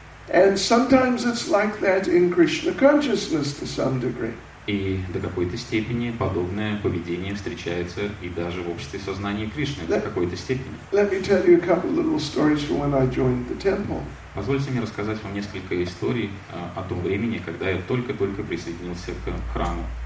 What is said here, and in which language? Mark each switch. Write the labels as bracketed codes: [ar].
[en] And sometimes it's like that in Krishna consciousness to some degree. [ru] И до какой-то степени подобное поведение встречается и даже в обществе сознания Кришны до какой-то степени. [en] Let me tell you a couple little stories from when I joined the temple. [ru] Позвольте мне рассказать вам несколько историй о том времени, когда я только-только присоединился к храму.